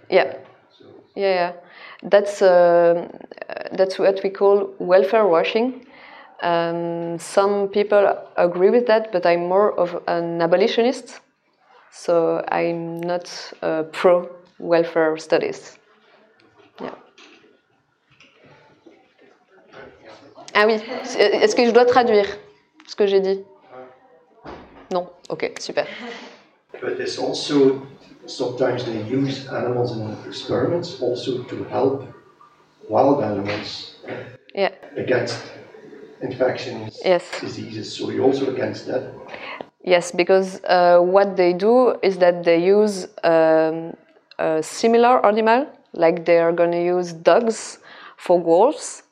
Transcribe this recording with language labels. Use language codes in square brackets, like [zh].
[en] Yeah, so. Yeah. That's what we call welfare washing. Some people agree with that, but I'm more of an abolitionist, so I'm not pro welfare studies. [fr] Ah oui, est-ce que je dois traduire ce que j'ai dit? Non, ok, super. [en] But it's also sometimes they use animals in experiments also to help wild animals against infections, diseases. So you're also against that? Yes, because what they do is that they use a similar animal, like they are going to use dogs for wolves.